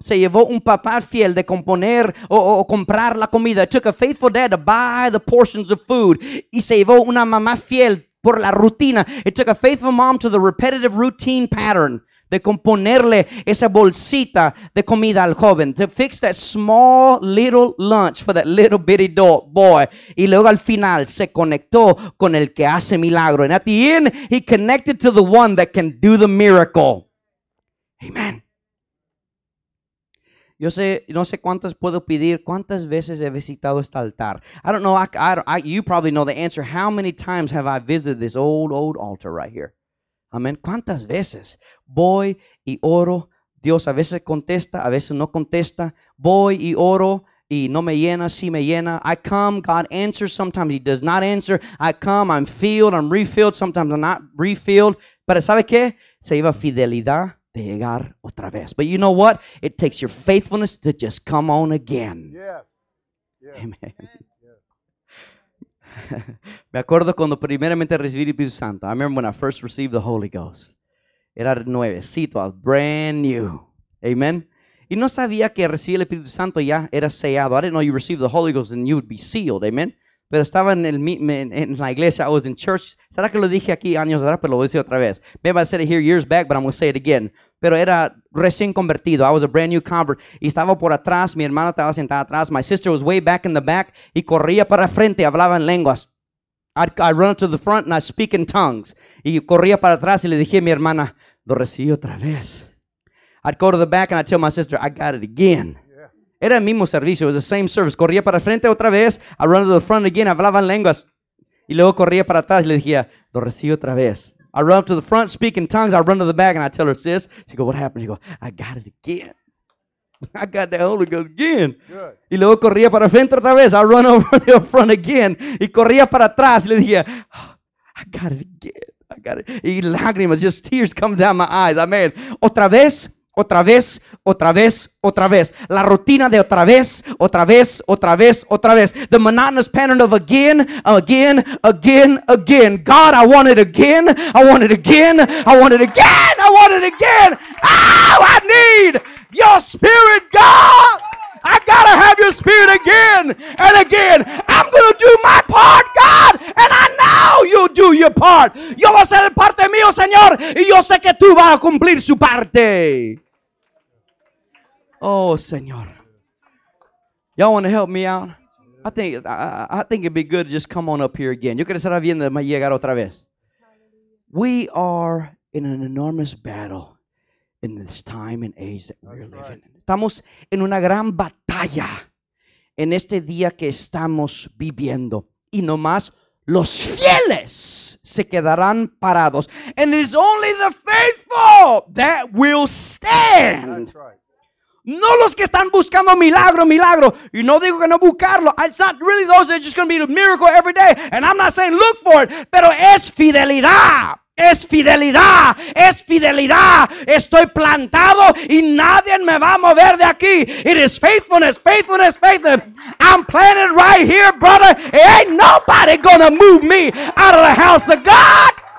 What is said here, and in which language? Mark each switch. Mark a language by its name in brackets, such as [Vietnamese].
[Spanish] Se llevó un papá fiel de componer o comprar la comida. [English] It took a faithful dad to buy the portions of food. [Spanish] Y se llevó una mamá fiel por la rutina. [English] It took a faithful mom to the repetitive routine pattern [Spanish] De componerle esa bolsita de comida al joven. [English] To fix that small little lunch for that little bitty dog boy. [Spanish] Y luego al final se conectó con el que hace milagro. [English] And at the end, he connected to the one that can do the miracle. Amen. [Spanish] Yo sé, no sé cuántas puedo pedir, cuántas veces he visitado este altar. [English] I don't know, you probably know the answer. How many times have I visited this old altar right here? [Spanish] Amén. ¿Cuántas veces voy y oro? Dios a veces contesta, a veces no contesta. Voy y oro y no me llena, sí me llena. [English] I come, God answers. Sometimes he does not answer. I come, I'm filled, I'm refilled. Sometimes I'm not refilled. [Spanish] Pero ¿sabe qué? Se lleva fidelidad de llegar otra vez. [English] But you know what? It takes your faithfulness to just come on again. Yeah. Yeah. Amen. [Spanish] Me acuerdo cuando primeramente recibí el Espíritu Santo. [English] I remember when I first received the Holy Ghost. [Spanish] Era nuevecito, [English] brand new. [Spanish] Amen. Y no sabía que recibí el Espíritu Santo ya era sellado. [English] I didn't know you received the Holy Ghost and you would be sealed. [Spanish] Amen. Pero estaba en la iglesia. [English] I was in church. [Spanish] ¿Será que lo dije aquí años atrás? Pero lo voy a decir otra vez. [English] Maybe I said it here years back, but I'm going to say it again. [Spanish] Pero era recién convertido. [English] I was a brand new convert. [Spanish] Y estaba por atrás. Mi hermana estaba sentada atrás. [English] My sister was way back in the back. [Spanish] Y corría para frente. Hablaba en lenguas. [English] I'd run to the front and I speak in tongues. [Spanish] Y corría para atrás y le dije a mi hermana, lo recibí otra vez. [English] I'd go to the back and I'd tell my sister, I got it again. [Spanish] Era el mismo servicio. [English] It was the same service. [Spanish] Corría para frente otra vez. [English] I run to the front again. [Spanish] Hablaba en lenguas. Y luego corría para atrás y le dije, lo recibí otra vez. [English] I run up to the front, speak in tongues. I run to the back, and I tell her, sis. She goes, what happened? She goes, I got it again. I got the Holy Ghost again. Good. [Spanish] Y luego corría para frente otra vez. [English] I run over to the front again. [Spanish] Y corría para atrás. Y le dije, oh, [English] I got it again. I got it. [Spanish] Y lágrimas, [English] just tears coming down my eyes. Amen. [Spanish] Otra vez. Otra vez, otra vez, otra vez. La rutina de otra vez, otra vez, otra vez, otra vez. [English] The monotonous pattern of again, again, again, again. God, I want it again. I want it again. I want it again. I want it again. Oh, I need your spirit, God. I gotta have your spirit again and again. I'm gonna do my part, God, and I know you'll do your part. [Spanish] Yo voy a hacer parte mío, Señor, y yo sé que tú vas a cumplir su parte. [English] Oh, Señor. Y'all want to help me out? I think it'd be good to just come on up here again. [Spanish] Yo quiero estar viendo me llegar otra vez. [English] We are in an enormous battle in this time and age that we're living in. [Spanish] Estamos en una gran batalla en este día que estamos viviendo. Y nomás los fieles se quedarán parados. [English] And it is only the faithful that will stand. That's right. [Spanish] No los que están buscando milagro, milagro. Y no digo que no buscarlo. [English] It's not really those that are just going to be a miracle every day. And I'm not saying look for it. [Spanish] Pero es fidelidad. Es fidelidad. Es fidelidad. Estoy plantado y nadie me va a mover de aquí. [English] It is faithfulness, faithfulness, faithfulness. I'm planted right here, brother. And ain't nobody going to move me out of the house of God.